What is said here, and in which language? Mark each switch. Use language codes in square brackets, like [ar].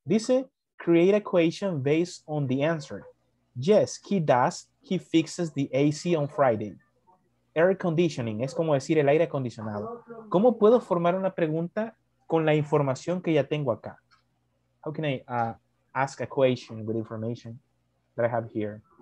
[en] Dice, create a question based on the answer. Yes, he does, he fixes the AC on Friday. [es] Air conditioning, es como decir el aire acondicionado. ¿Cómo puedo formar una pregunta con la información que ya tengo acá? [en] How can I ask a question with information that I have here?